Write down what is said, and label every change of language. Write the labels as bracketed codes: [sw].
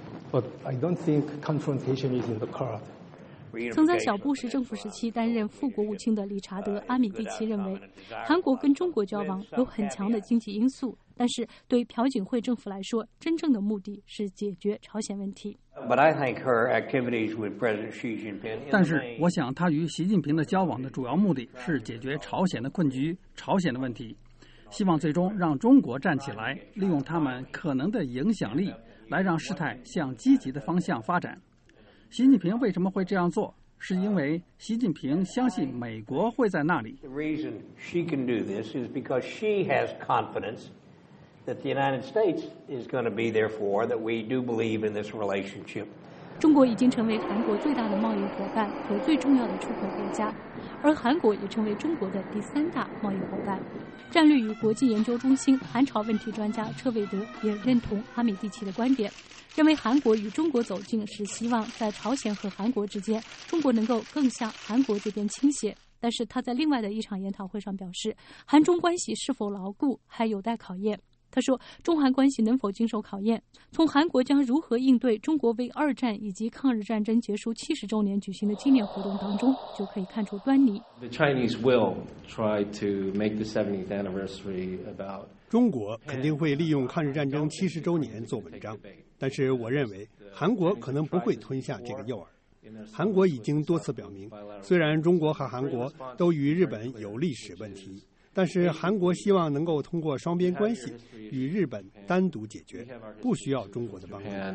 [en] But I don't think confrontation is in the card. [zh] 曾在小布什政府时期担任副国务卿的理查德·阿米蒂奇认为，韩国跟中国交往有很强的经济因素，但是对朴槿惠政府来说，真正的目的是解决朝鲜问题。 [en] But I think her activities with President Xi Jinping. [zh] 但是我想，他与习近平的交往的主要目的是解决朝鲜的困局、朝鲜的问题，希望最终让中国站起来，利用他们可能的影响力，来让事态向积极的方向发展。习近平为什么会这样做？是因为习近平相信美国会在那里。 [en] The reason she can do this is because she has confidence that the United States is going to be there for that. We do believe in this relationship. [zh] 中国已经成为韩国最大的贸易伙伴和最重要的出口国家，而韩国也成为中国的第三大贸易伙伴。战略与国际研究中心韩朝问题专家车韦德也认同阿米蒂奇的观点，认为韩国与中国走近是希望在朝鲜和韩国之间，中国能够更向韩国这边倾斜。但是他在另外的一场研讨会上表示，韩中关系是否牢固还有待考验。他说，中韩关系能否经受考验，从韩国将如何应对中国为二战以及抗日战争结束70周年举行的纪念活动当中就可以看出端倪。 [en] The Chinese will try to make the 70th anniversary about [zh] 中国肯定会利用抗日战争70周年做文章，但是我认为韩国可能不会吞下这个诱饵。韩国已经多次表明，虽然中国和韩国都与日本有历史问题，但是韩国希望能够通过双边关系与日本单独解决，不需要中国的帮助。